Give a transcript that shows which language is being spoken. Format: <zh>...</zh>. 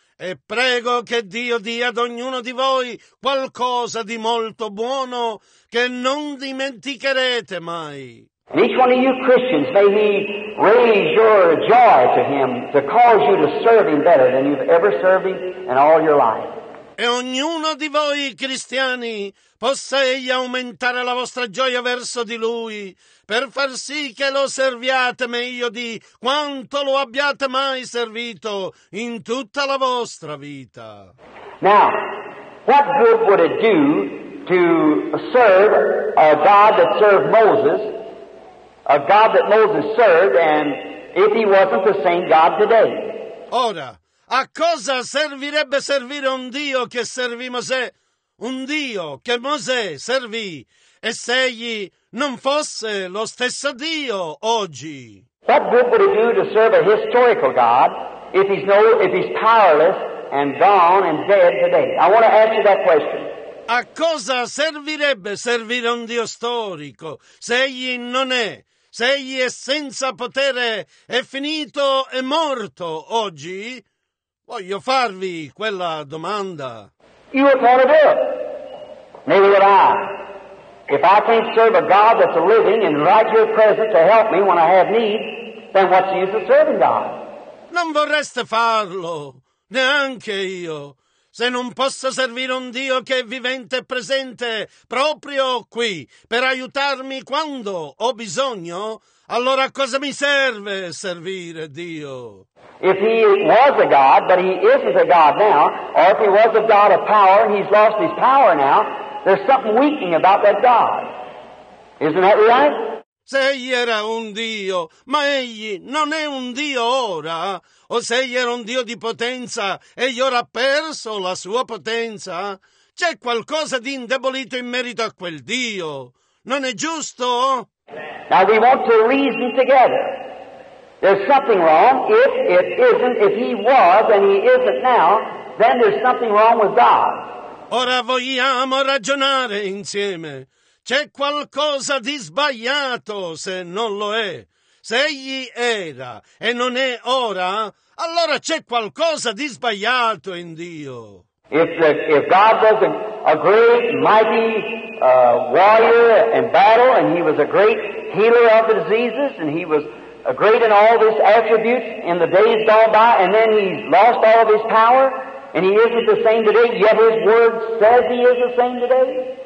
<it>E prego che Dio dia ad ognuno di voi qualcosa di molto buono che non dimenticherete mai.</it> <en>And each one of you Christians, may He raise your joy to Him to cause you to serve Him better than you've ever served Him in all your life.</en> <it>E ognuno di voi cristiani possa egli aumentare la vostra gioia verso di lui per far sì che lo serviate meglio di quanto lo abbiate mai servito in tutta la vostra vita.</it> <en>Now, what good would it do to serve a God that served Moses, a God that Moses served, and if He wasn't the same God today?</en> <it>Ora, A cosa servirebbe servire un Dio che servì Mosè? Un Dio che Mosè servì, e se egli non fosse lo stesso Dio oggi?</it> <en>What good would it do to serve a historical God if he's no, if he's powerless and gone and dead today? I want to ask you that question.</en> <it>A cosa servirebbe servire un Dio storico se egli non è, se egli è senza potere, è finito e morto oggi? Voglio farvi quella domanda.</it> <en>You are part of it. Neither would I. If I can't serve a God that's living and right here present to help me when I have need, then what's the use of serving God?</en> <it>Non vorreste farlo, neanche io, se non posso servire un Dio che è vivente e presente proprio qui per aiutarmi quando ho bisogno, allora cosa mi serve servire Dio?</it> <en>If he was a God, but he isn't a God now, or if he was a God of power and he's lost his power now, there's something weakening about that God. Isn't that right?</en> <it>Se egli era un Dio, ma egli non è un Dio ora, o se egli era un Dio di potenza e egli ora ha perso la sua potenza, c'è qualcosa di indebolito in merito a quel Dio. Non è giusto?</it> <en>Now we want to reason together. There's something wrong if it isn't, if he was and he isn't now, then there's something wrong with God.</en> <it>Ora vogliamo ragionare insieme. C'è qualcosa di sbagliato se non lo è. Se egli era e non è ora, allora c'è qualcosa di sbagliato in Dio.</it> <en>If God was a great, mighty warrior in battle, and he was a great healer of the diseases, and he was a great in all these attributes in the days gone by, and then he's lost all of his power, and he isn't the same today, yet his word says he is the same today.</en>